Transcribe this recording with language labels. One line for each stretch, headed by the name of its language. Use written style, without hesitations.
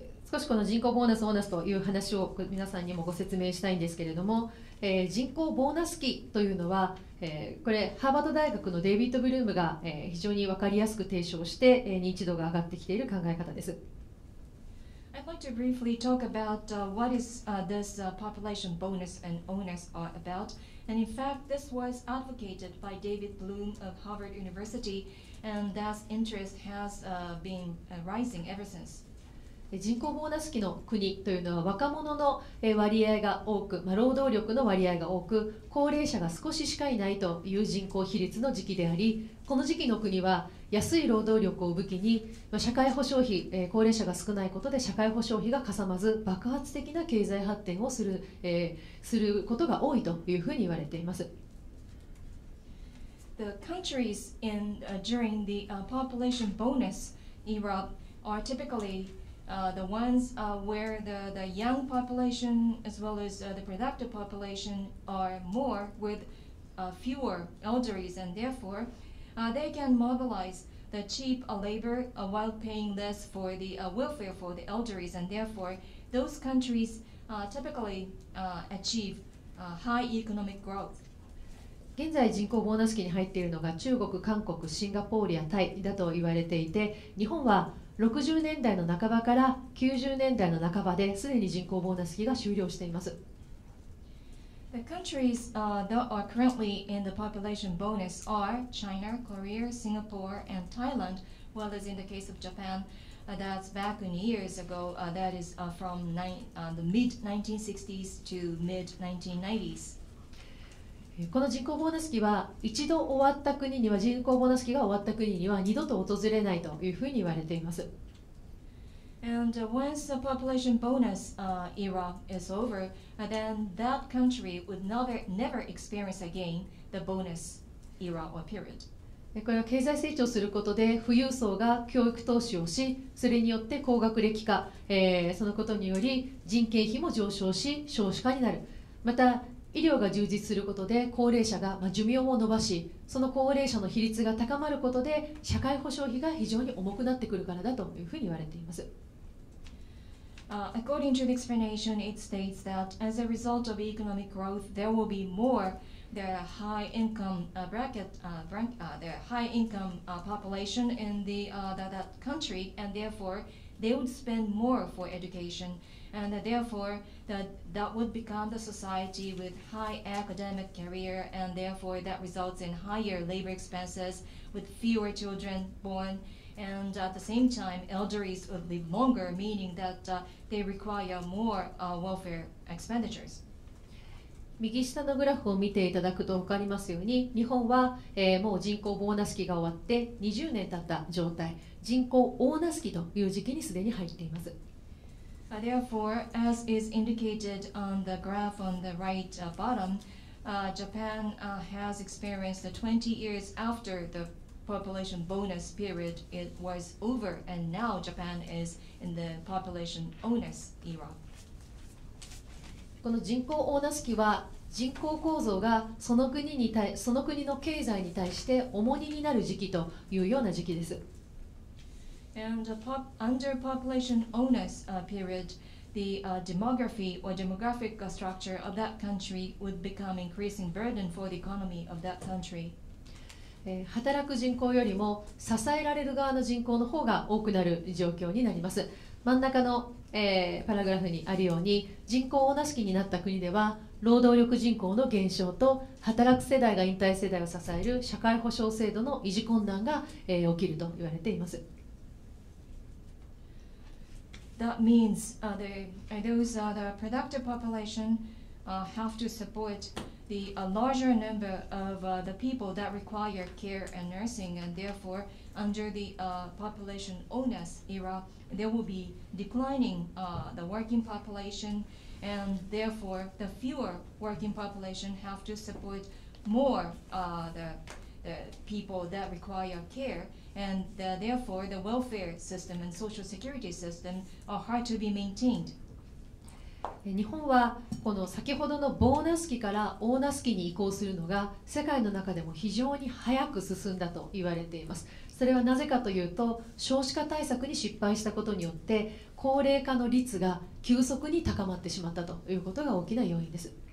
Japanese: 少しこの人口ボーナス、オーナスという話を皆さんにもご説明したいんですけれども、人口ボーナス期というのは、これハーバード大学のデイビッド・ブルームが、非常に分かりやすく提唱して、認知度が上がってきている考え方です。
English: I'd like to briefly talk about what is this population bonus and onus are about. And in fact, this was advocated by David Bloom of Harvard University, and that interest has been rising ever since.
Japanese: 人口ボーナス期の国というのは若者の割合が多く、まあ、労働力の割合が多く、高齢者が少ししかいないという人口比率の時期であり、この時期の国は安い労働力を武器に、まあ、社会保障費、高齢者が少ないことで社会保障費がかさまず爆発的な経済発展をする、することが多いというふうに言われています。
English: The countries in, during the population bonus era are typicallyThe ones where the young population as well as the productive population are more with fewer elderly, and therefore they can mobilize the cheap labor while paying less for the welfare for the elderly, and therefore those countries typically achieve high economic growth.
Japanese: 現在人口ボーナス期に入っているのが中国、韓国、シンガポールやタイだと言われていて、日本は60年代の半ばから90年代の半ばですでに人口ボーナス期が終了しています。
English: The countries that are currently in the population bonus are China, Korea, Singapore, and Thailand, well as in the case of Japan, that's back in years ago, that is from the mid-1960s to mid-1990s.
Japanese: この人口ボーナス期は一度終わった国には人口ボーナス期が終わった国には二度と訪れないというふうに言われています。
English: And once the population bonus era is over, then that country would never experience again the bonus era or period.
Japanese: これは経済成長することで富裕層が教育投資をし、それによって高学歴化、そのことにより人件費も上昇し少子化になる。また医療が充実することで高齢者が寿命を伸ばし、その高齢者の比率が高まることで社会保障費が非常に重くなってくるからだというふうに言われています。
English: According to the explanation, it states that as a result of economic growth, there will be more the high income bracket, the high income population in the, that country, and therefore they would spend more for educationAnd therefore, that would become the society with high academic career, and therefore that results in higher labor expenses with fewer children born. And at the same time, elderly would live longer, meaning that they require more welfare expenditures.
Japanese: 右下のグラフを見ていただくと分かりますように、日本は、もう人口ボーナス期が終わって20年経った状態、人口オーナス期という時期にすでに入っています。
English: Therefore, as is indicated on the graph on the right bottom, Japan has experienced 20 years after the population bonus period it was over, and now Japan is in the population onus era.
Japanese: この人口オーナス期は人口構造がその国に対その国の経済に対して重荷になる時期というような時期です。
English: And under population onus period, the demography or demographic structure of that country would become increasing burden for the economy of that country.
Japanese: 働く人口よりも支えられる側の人口の方が多くなる状況になります。真ん中の、パラグラフにあるように、人口オーナス期になった国では、労働力人口の減少と働く世代が引退世代を支える社会保障制度の維持困難が、起きると言われています。
English: That means those are the productive population have to support the larger number of the people that require care and nursing, and therefore under the population onus era, there will be declining the working population, and therefore the fewer working population have to support more the people that require care, and therefore the welfare system and social security system are hard to be maintained.
Japanese: 日本はこの先ほどのボーナス期からオーナス期に移行するのが世界の中でも非常に早く進んだと言われています。それはなぜかというと、少子化対策に失敗したことによって高齢化の率が急速に高まってしまったということが大きな要因です。